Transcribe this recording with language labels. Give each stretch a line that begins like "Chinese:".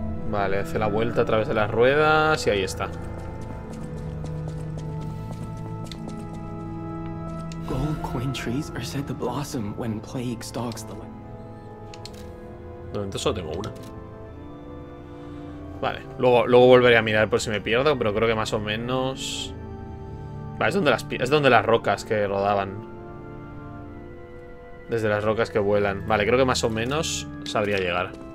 Spanish: Vale, hace la vuelta a través de las ruedas y ahí está.
English: trees are said to blossom when plague stalks the land.
Spanish: De momento solo tengo una. Vale, luego volveré a mirar por si me pierdo, pero creo que más o menos. Vale, es donde las rocas que rodaban. Desde las rocas que vuelan. Vale, creo que más o menos sabría llegar.